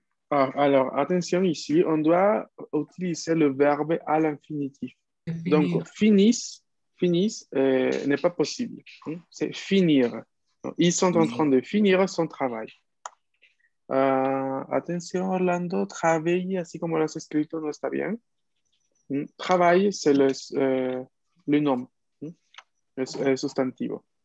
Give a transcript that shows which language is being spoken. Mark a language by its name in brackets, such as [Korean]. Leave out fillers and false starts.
[French] Alors, attention ici, on doit utiliser le verbe à l'infinitif. Donc, Finir. finissent, n'est pas possible. C'est finir. Ils sont en train Finir. de finir son travail. [Spanish] Attention, Orlando, travailler, así como lo has escrito, no está bien. [French] Travail, c'est le nom, le sustantivo.